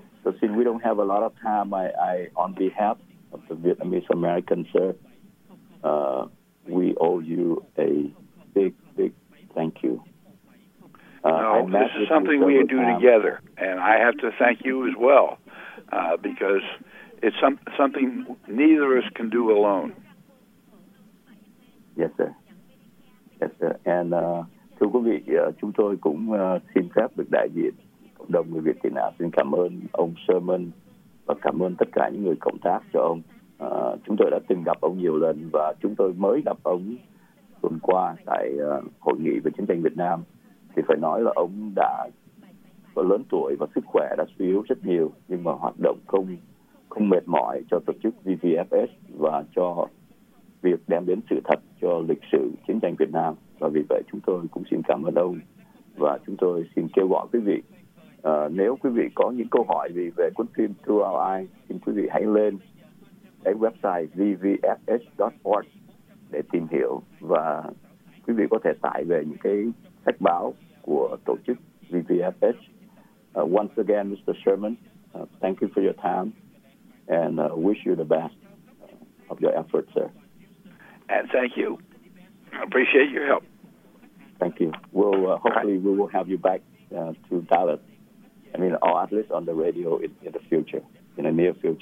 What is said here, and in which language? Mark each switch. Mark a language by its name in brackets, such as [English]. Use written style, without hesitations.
[English] So since we don't have a lot of time, I on behalf of the Vietnamese American, sir, we owe you a big, big thank you. This is something we do together, and I have to thank you as well, because it's something neither of us can do alone. Yes, sir. [Vietnamese] And thưa quý vị, chúng tôi cũng xin phép được đại diện cộng đồng người Việt tị nạn xin cảm ơn ông Sherman và cảm ơn tất cả những người cộng tác cho ông. Chúng tôi đã từng gặp ông nhiều lần và chúng tôi mới gặp ông tuần qua tại hội nghị về chiến tranh Việt Nam. Thì phải nói là ông đã có lớn tuổi và sức khỏe đã suy yếu rất nhiều, nhưng mà hoạt động không mệt mỏi cho tổ chức VVFS và cho việc đem đến sự thật cho lịch sử chiến tranh Việt Nam. Và vì vậy chúng tôi cũng xin cảm ơn ông. Và chúng tôi xin kêu gọi quý vị, nếu quý vị có những câu hỏi gì về cuốn phim Through Our Eyes, xin quý vị hãy lên cái website vvfs.org để tìm hiểu. Và quý vị có thể tải về những cái sách báo của tổ chức VVFS. [English] Once again, Mr. Sherman, thank you for your time and wish you the best of your efforts, sir. And thank you. I appreciate your help. Thank you. We'll hopefully we will have you back to Dallas. I mean, or at least on the radio in the future, in the near future.